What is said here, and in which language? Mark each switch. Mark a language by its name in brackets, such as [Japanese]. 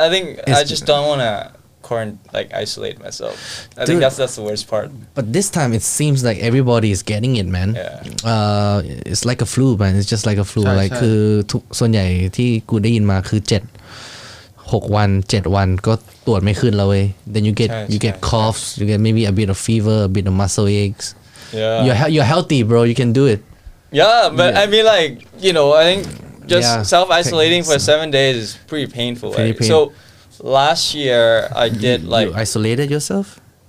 [English] I think I just don't want to isolate myself. I think that's the worst part. But this time it seems like everybody is getting it, man. Yeah. It's like a flu, man. It's just like a flu. [Thai] ส่วนใหญ่ที่กูได้ยินมาคือ 6 วัน 7 วันก็ [English] then you get coughs. You get maybe a bit of fever, a bit of muscle aches. Yeah. You're healthy, bro. You can do it. Yeah. I mean, like, you know, I think just self-isolating for 7 days is pretty painful. So last year I did you isolated yourself?